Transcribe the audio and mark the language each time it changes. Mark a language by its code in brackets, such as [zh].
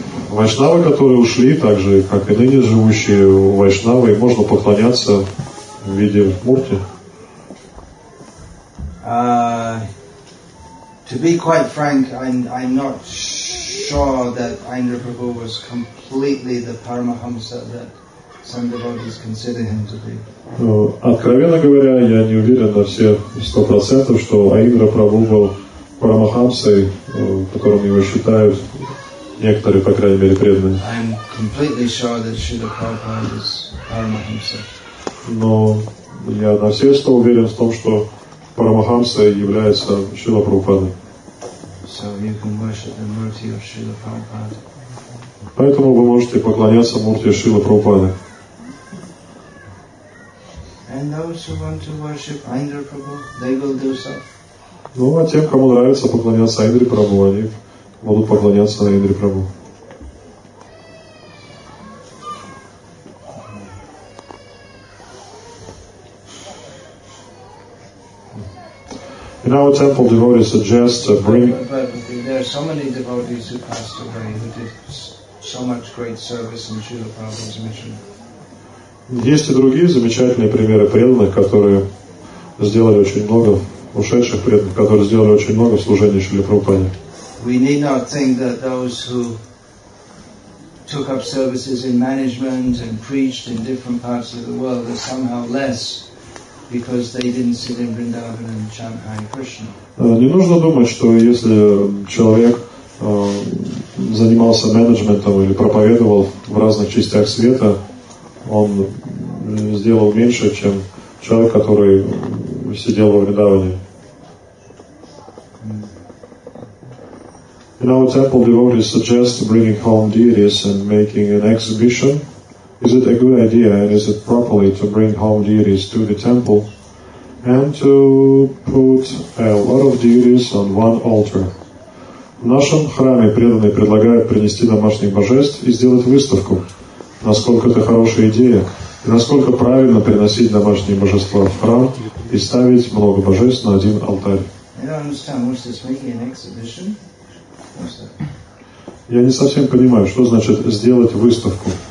[ru] Вайшнавы, которые ушли, так же, как и ныне живущие вайшнавы, можно поклоняться в виде мурти. [en] To be quite frank, I'm not sure that Ayendra Prabhu was completely the Paramahamsa that some devotees consider him to be. [ru] Откровенно говоря, я не уверен на все 100%, что Аиндра Прабху был парамахамсой, которым его считают некоторые, по крайней мере, преданные. [en] I'm completely sure that Śrīla Prabhupāda is Paramahamsa. [ru] Но я на все 100% уверен в том, что парамахамсой является Śrīla Prabhupāda. [en] So you can worship the murti of Śrīla Prabhupāda. [ru] Поэтому вы можете поклоняться мурти Śrīla Prabhupāda. [en] And those who want to worship Ayendra Prabhu, they will do so. [ru] Ну, а тем, кому нравится поклоняться Ayendra Prabhu, они будут поклоняться Ayendra Prabhu. [en] И In our temple, devotees suggest to bring. But there are so many devotees who passed away who did so much great service in Srila Prabhupada's mission. [ru] Есть и другие замечательные примеры преданных, которые сделали очень много, ушедших преданных, которые сделали очень много служения Шрили Прабхупаде. [en] We need not think that those who took up services in management and preached in different parts of the world are somehow less because they didn't sit in Vrindavan and chant Hare Krishna. [ru] Не нужно думать, что если человек занимался менеджментом или проповедовал в разных частях света, он сделал меньше, чем человек, который сидел в Вриндаване. [en] In our temple, devotees suggest bringing home deities and making an exhibition. Is it a good idea and is it properly to bring home deities to the temple and to put a lot of deities on one altar? [ru] В нашем храме преданные предлагают принести домашних божеств и сделать выставку. Насколько это хорошая идея? И насколько правильно приносить домашние божества в храм и ставить много божеств на один алтарь? Я не совсем понимаю, что значит сделать выставку.